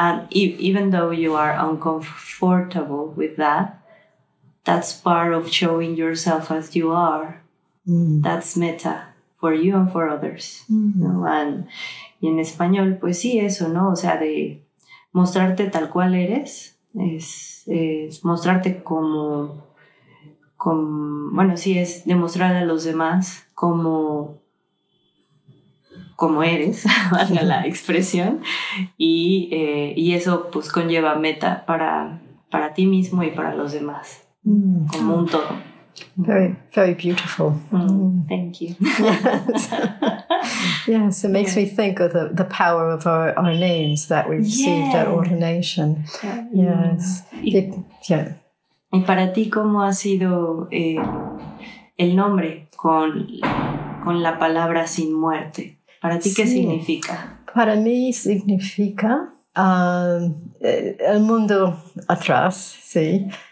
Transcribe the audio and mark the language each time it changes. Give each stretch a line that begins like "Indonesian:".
English: Even though you are uncomfortable with that, that's part of showing yourself as you are. That's meta for you and for others. Mm-hmm. You know?
Spanish: Y en español, pues sí, eso, ¿no? O sea, de mostrarte tal cual eres, es mostrarte como, bueno, sí, es demostrar a los demás como eres, valga la expresión, y eso pues conlleva meta para ti mismo y para los demás, como un todo.
English: Very, very beautiful. Thank you. Yes, it makes me think of the power of our names that we received at ordination. Yes.
Spanish: Y para ti, ¿cómo ha sido el nombre con la palabra sin muerte? ¿Para ti qué significa? Para mí significa el mundo atrás, sí.